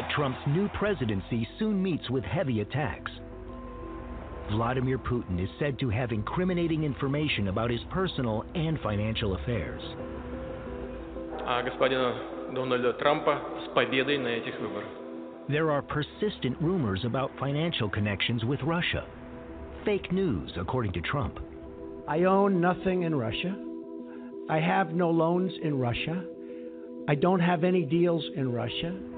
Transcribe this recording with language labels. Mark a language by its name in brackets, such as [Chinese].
[English] But Trump's new presidency soon meets with heavy attacks. Vladimir Putin is said to have incriminating information about his personal and financial affairs. [Russian] Господина Дональда Трампа с победой на этих выборах. [English] There are persistent rumors about financial connections with Russia. Fake news, according to Trump. I own nothing in Russia. I have no loans in Russia. I don't have any deals in Russia.